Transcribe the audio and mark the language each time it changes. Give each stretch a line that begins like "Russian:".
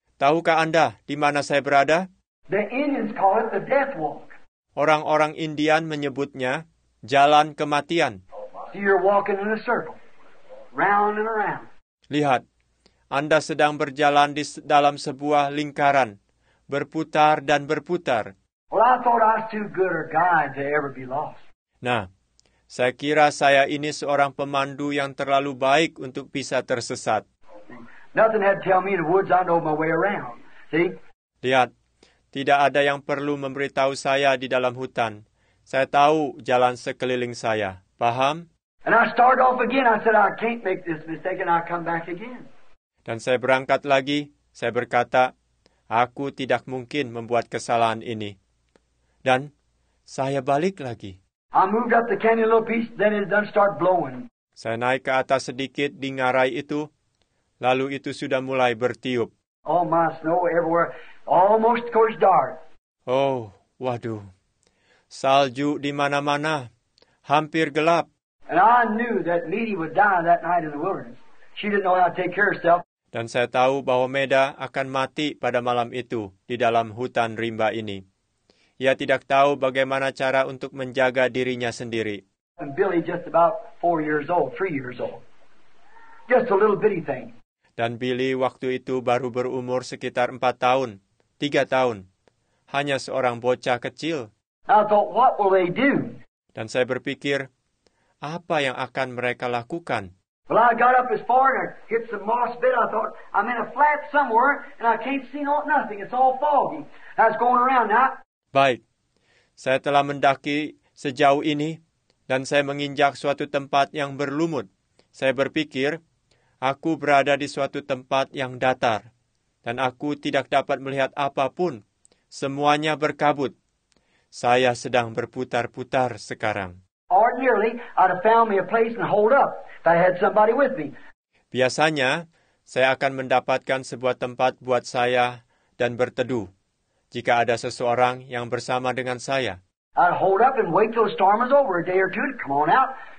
Indonesian: Tahukah Anda di mana saya berada?
English: The Indians call it the death walk.
Indonesian: Orang-orang Indian menyebutnya jalan kematian.
English: Oh my. So you're walking in a circle, round and around.
Indonesian: Lihat, Anda sedang berjalan di dalam sebuah lingkaran, berputar dan berputar.
English: Well, I thought I was too good a guide to ever be lost.
Indonesian: Nah, saya kira saya ini seorang pemandu yang terlalu baik untuk bisa tersesat.
English: Nothing had to tell me in the woods, I know my way around. See?
Indonesian: Lihat, tidak ada yang perlu memberitahu saya di dalam hutan. Saya tahu jalan sekeliling saya. Paham?
English: And I started off again. I said, I can't make this mistake and I'll come back again.
Indonesian: Dan saya berangkat lagi, saya berkata, aku tidak mungkin membuat kesalahan ini. Dan saya balik lagi.
English: I moved up the canyon a little piece, then it done start blowing.
Indonesian: Saya naik ke atas sedikit di ngarai itu, lalu itu sudah mulai bertiup.
English: Oh my, snow everywhere, almost course dark.
Indonesian: Oh, waduh. Salju di mana-mana, hampir gelap.
English: And I knew that Meady would die that night in the wilderness. She didn't know how to take care of herself.
Indonesian: Dan saya tahu bahwa Meda akan mati pada malam itu di dalam hutan rimba ini. Ia tidak tahu bagaimana cara untuk menjaga dirinya sendiri.
English: And Billy just about 4 years old, 3 years old. Just a little bitty thing.
Indonesian: Dan Billy waktu itu baru berumur sekitar 4 tahun, 3 tahun. Hanya seorang bocah kecil.
English: I thought, what will they do?
Indonesian: Dan saya berpikir, apa yang akan mereka lakukan?
English: Well, I got up as far and hit some moss bit. I thought, I'm in a flat somewhere and I can't see nothing. It's all foggy. I was going around now.
Indonesian: Baik. Saya telah mendaki sejauh ini dan saya menginjak suatu tempat yang berlumut. Saya berpikir, aku berada di suatu tempat yang datar dan aku tidak dapat melihat apapun. Semuanya berkabut. Saya sedang berputar-putar sekarang.
English: Ordinarily, I'd have found me a place and hold up if I had somebody with me.
Indonesian: Biasanya, saya akan mendapatkan sebuah tempat buat saya dan berteduh jika ada seseorang yang bersama dengan saya.
English: I'd hold up and wait till the storm is over a day or two to come on out.